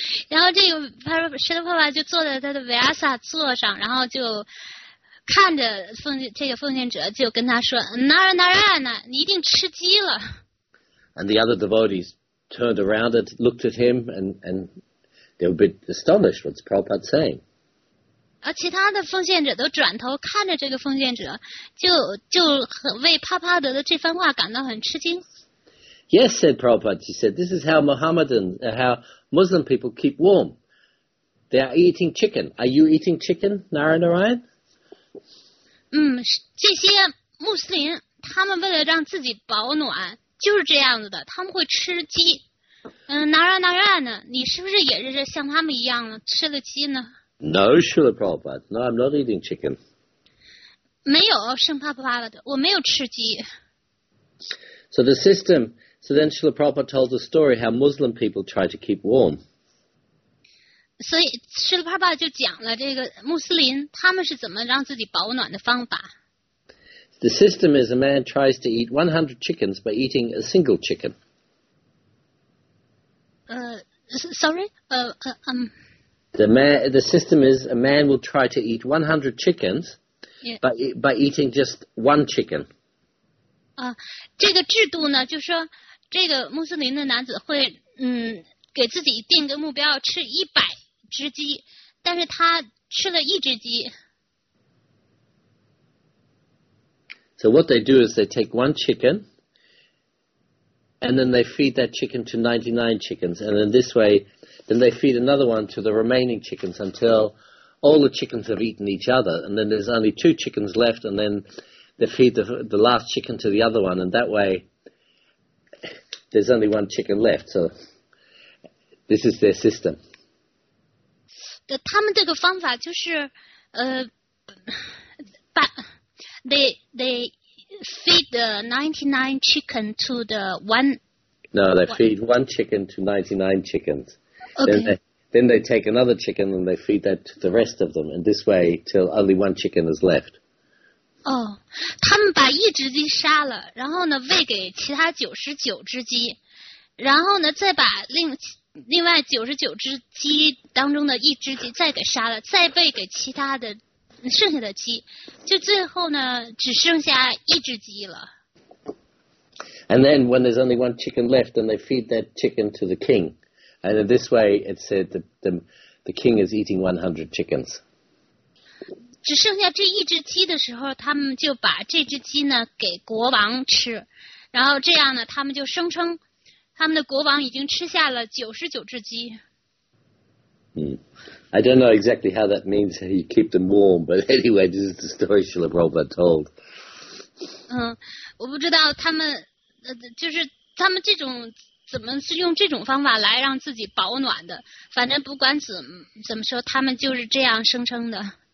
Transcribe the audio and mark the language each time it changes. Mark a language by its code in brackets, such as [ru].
[zh] 然后这个释迦牟尼就坐在他的 Vyasa 座上，然后就看着奉献者就跟他说 Narayana, 你一定吃鸡了。 [en] And the other devotees turned around and looked at him and they were a bit astonished what's Prabhupada saying. [zh] 而其他的奉献者都转头看着这个奉献者，就为帕帕德的这番话感到很吃惊。 [en] Yes, said Prabhupada. She said, "This is how how Muslim people keep warm. They are eating chicken. Are you eating chicken, Narayan?" [zh] 这些穆斯林他们为了让自己保暖，就是这样子的，他们会吃鸡。 Narayan 呢？你是不是也是像他们一样吃了鸡呢？ [en] No, Srila Prabhupada. No, I'm not eating chicken. [zh] 没有圣帕帕拉的，我没有吃鸡。 [en] So the system. So then Srila Prabhupada told the story how Muslim people try to keep warm. [zh] 所以Srila Prabhupada就讲了这个穆斯林他们是怎么让自己保暖的方法。 [en] The system is a man tries to eat 100 chickens by eating a single chicken. Sorry? The system is a man will try to eat 100 chickens, yeah. by eating just one chicken. [zh] 这个制度呢，就是说这个穆斯林的男子会给自己定个目标，吃100只鸡，但是他吃了1只鸡。 [en] So what they do is they take one chicken, and then they feed that chicken to 99 chickens, and then this way, then they feed another one to the remaining chickens until all the chickens have eaten each other, and then there's only 2 chickens left, and then they feed the last chicken to the other one, and that way, there's only 1 chicken left, so this is their system. [zh] 对，他们这个方法就是把 [en] They feed the 99 chicken to the one. No, they feed one chicken to 99 chickens. Okay. Then they take another chicken and they feed that to the rest of them. And this way, till only 1 chicken is left. [zh] Oh, 他们把一只鸡杀了，然后呢喂给其他99只鸡，然后呢再把另外99只鸡当中的一只鸡再给杀了，再喂给其他的。剩下的鸡，就最后呢，只剩下一只鸡了。 [en] And then when there's only 1 chicken left, then they feed that chicken to the king. And in this way, it said that the king is eating 100 chickens. [zh] 只剩下这一只鸡的时候，他们就把这只鸡呢给国王吃，然后这样呢，他们就声称他们的国王已经吃下了99只鸡。 [en] I don't know exactly how that means how you keep them warm, but anyway, this is the story Srila Prabhupada told. [zh] 我不知道他们就是他们这种怎么是用这种方法来让自己保暖的。反正不管怎么说，他们就是这样声称的。